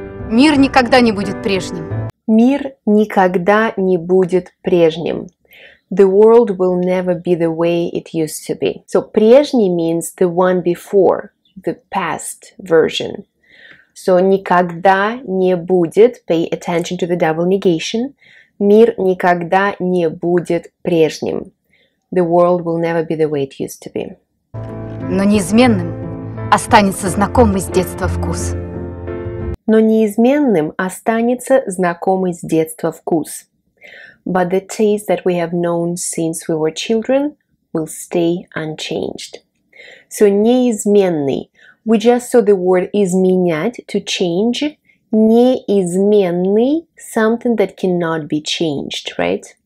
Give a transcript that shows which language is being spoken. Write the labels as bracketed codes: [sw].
[ru] Мир никогда не будет прежним. Мир никогда не будет прежним. [en] The world will never be the way it used to be. So, прежний means the one before, the past version. So, [ru] никогда не будет, [en] pay attention to the double negation, [ru] мир никогда не будет прежним. [en] The world will never be the way it used to be. [ru] Но неизменным останется знакомый с детства вкус. Но неизменным останется знакомый с детства вкус. [en] But the taste that we have known since we were children will stay unchanged. So неизменный. We just saw the word изменять, to change. Неизменный, something that cannot be changed, right?